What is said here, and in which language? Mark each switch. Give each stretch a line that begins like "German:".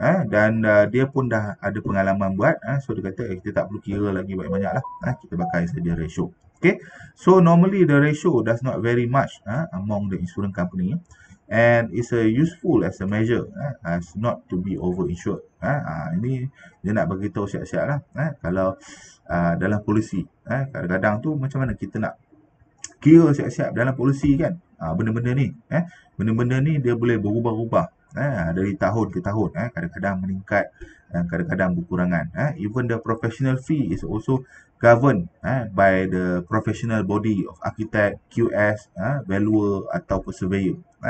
Malay: Dan dia pun dah ada pengalaman buat.
English: So dia kata,
Malay: kita tak perlu kira lagi banyak-banyak lah. Kita pakai saja ratio. Okay.
English: So normally the ratio does not very much among the insurance company. And it's a useful as a measure as not to be over insured.
Malay: Ini dia nak beritahu siap-siap lah. Kalau dalam polisi, kadang-kadang tu macam mana kita nak kira siap-siap dalam polisi kan. Benda-benda ni. Benda-benda ni dia boleh berubah-ubah. Dari tahun ke tahun, kadang-kadang meningkat dan kadang-kadang berkurangan.
English: Even the professional fee is also governed by the professional body of architect, QS, valuer atau surveyor.